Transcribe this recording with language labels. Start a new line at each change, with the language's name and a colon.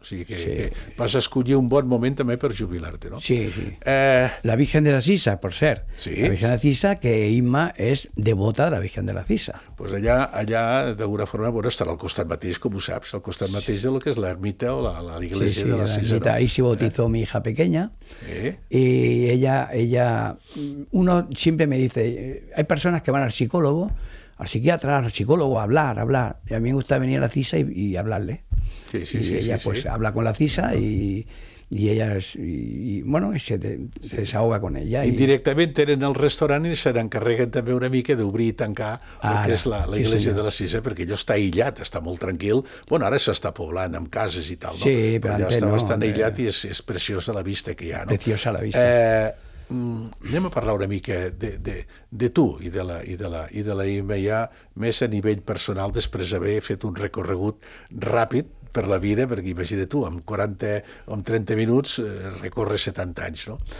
Catalan: O sigui que, que vas escollir un bon moment també per jubilar-te, no? Sí, sí. La Virgen de la Sisa, per cert. Sí? La Virgen de la Sisa, que Imma és devota de la Virgen de la Sisa. Doncs pues allà d'alguna forma, bueno, estarà al costat mateix, com ho saps, al costat mateix de lo que és l'ermita o l'església de la Sisa.
Spanish: Ahí se bautizó mi hija pequeña y ella uno siempre me dice, hay personas que van al psicólogo, al psiquiatra, al psicólogo, a hablar, y a mí me gusta venir a la Sisa y hablarle. Sí, ella habla con la Sisa y ella es, y bueno, y se desahoga con ella.
Catalan: I directament tenen el restaurant i se n'encarreguen també una mica d'obrir i tancar que és la iglesia de la Sisa, perquè allò està aïllat, està molt tranquil. Bueno, ara s'està poblant amb cases i tal, no? Sí, però allò està bastant aïllat i és preciosa la vista que hi ha, no? Preciosa la vista. Anem a parlar una mica de tu i de la IMEA, ja, més a nivell personal, després d'haver fet un recorregut ràpid per la vida, perquè imagina tu, amb 40 o amb 30 minuts recorre 70 anys, no?